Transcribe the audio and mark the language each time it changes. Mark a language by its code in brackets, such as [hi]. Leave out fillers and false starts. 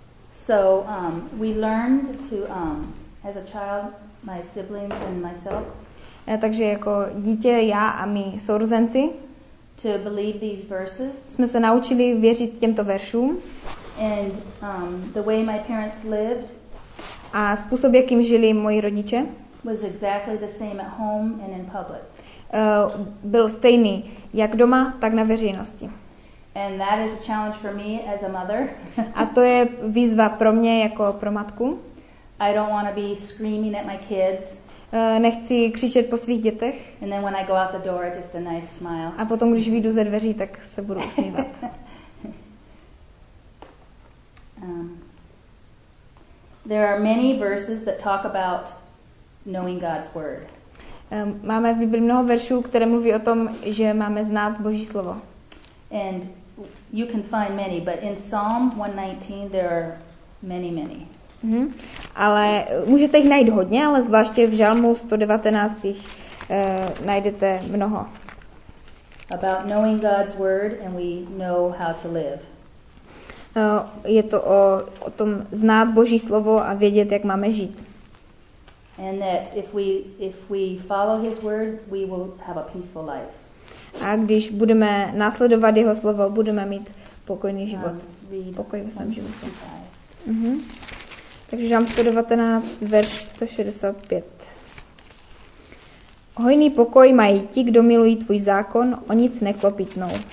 [en] So, we learned to as a child, my siblings and myself. [cs] Takže jako dítě já a mí sourozenci. [en] To believe these verses. [cs] Jsme se naučili věřit těmto veršům. [en] And the way my parents lived. [cs] A způsob, jakým žili moji rodiče. [en] Was exactly the same at home and in public. [cs] Byl stejný jak doma, tak na veřejnosti. [en] And that is a challenge for me as a mother. [cs] A to je výzva pro mě jako pro matku. [en] I don't want to be screaming at my kids. [cs] Nechci křičet po svých dětech. [en] And then when I go out the door, just a nice smile. [cs] A potom, když vyjdu ze dveří, tak se budu usmívat. [en] There are many verses that talk about knowing God's word. [cs] Máme v Bibli mnoho veršů, které mluví o tom, že máme znát Boží slovo. [en] And you can find many, but in Psalm 119 there are many, many. [cs] Ale můžete jich najít hodně, ale zvláště v Žalmu 119 jich najdete mnoho. [en] About knowing God's word and we know how to live. [cs] Je to o tom znát Boží slovo a vědět, jak máme žít. [en] And that if we follow his word, we will have a peaceful life. [cs] A když budeme následovat jeho slovo, budeme mít pokojný život. Pokoj ve svém životě. Takže Žalm 119, verš 165. Hojný pokoj mají ti, kdo milují tvůj zákon, o nic neklopitnou.